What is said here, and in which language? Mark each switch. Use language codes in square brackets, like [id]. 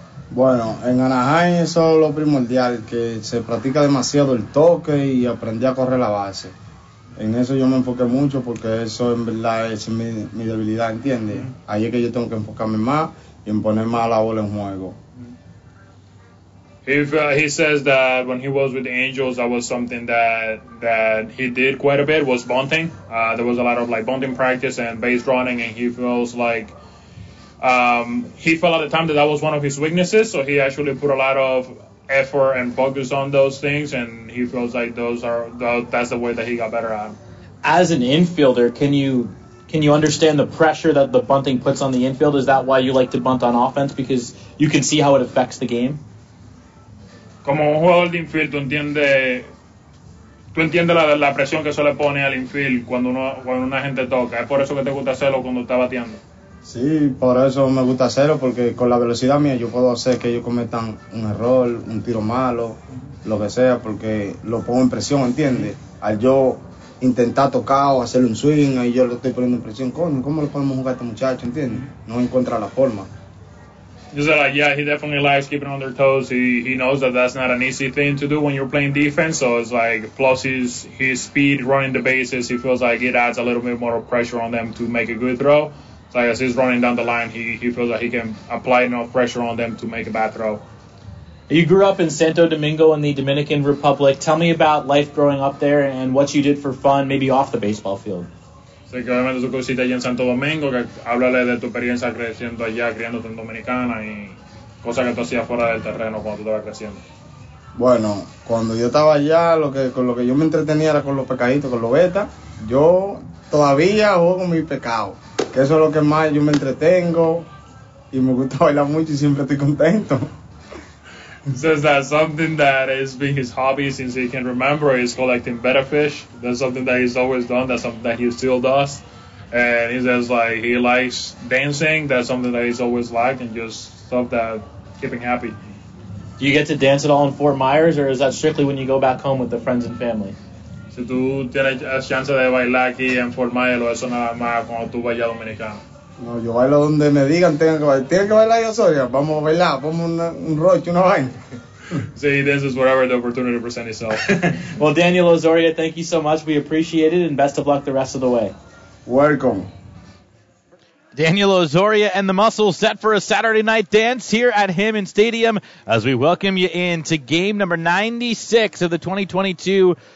[es] Bueno, en Anaheim eso es lo primordial, que se practica demasiado el toque y aprendí a correr la base. En eso yo me enfoqué mucho porque eso en verdad es mi debilidad, ¿entiendes? Ahí es que yo tengo que enfocarme más y en poner más la bola en juego. [en] He says that when he was with the Angels, that was something that he did quite a bit, was bunting. There was a lot of like bunting practice and base running, and he feels like he felt at the time that was one of his weaknesses, so he actually put a lot of effort and focus on those things, and he feels like that's the way that he got better at. As an infielder, can you understand the pressure that the bunting puts on the infield? Is that why you like to bunt on offense, because you can see how it affects the game? [es] Como un jugador de infield, tú entiendes la presión que eso le pone al infield cuando una gente toca. Es por eso que te gusta hacerlo cuando está bateando. Sí, por eso me gusta hacerlo, porque con la velocidad mía yo puedo hacer que ellos cometan un error, un tiro malo, lo que sea, porque lo pongo en presión, ¿entiendes? Al yo intentar tocar o hacer un swing, ahí yo lo estoy poniendo en presión. Coño, ¿cómo le podemos jugar a este muchacho, ¿entiendes? No encuentra la forma. [en] He said, like, yeah, he definitely likes keeping on their toes. He knows that that's not an easy thing to do when you're playing defense. So it's like, plus his speed running the bases, he feels like it adds a little bit more pressure on them to make a good throw. Like as he's running down the line, he feels like he can apply enough pressure on them to make a bad throw. You grew up in Santo Domingo in the Dominican Republic. Tell me about life growing up there and what you did for fun, maybe off the baseball field. [es] Sé que obviamente tú creciste allá en Santo Domingo, que háblale de tu experiencia creciendo allá, criándote en Dominicana y cosas que tú hacías fuera del terreno cuando tú estabas creciendo. Bueno, cuando yo estaba allá, con lo que yo me entretenía era con los pecaditos, con los betas. Yo todavía juego con mi pecado, que eso es lo que más yo me entretengo y me gusta bailar mucho y siempre estoy contento. [en] Says that something that has been his hobby since he can remember is collecting betta fish. That's something that he's always done. That's something that he still does. And he says like he likes dancing. That's something that he's always liked and just stuff that keeping happy. Do you get to dance at all in Fort Myers, or is that strictly when you go back home with the friends and family? [es] Si tú tienes chance de bailar aquí en Fort Myers, eso nada más cuando tú vayas a Dominicana. No, yo bailo donde me digan, tengo que bailar yo soy. Vamos a bailar, vamos un roche, una vaina. [en] See, this is whatever the opportunity presents itself. Well, Daniel Ozoria, thank you so much. We appreciate it, and best of luck the rest of the way. Welcome. Daniel Ozoria and the Muscles set for a Saturday night dance here at Heyman Stadium as we welcome you in to game number 96 of the 2022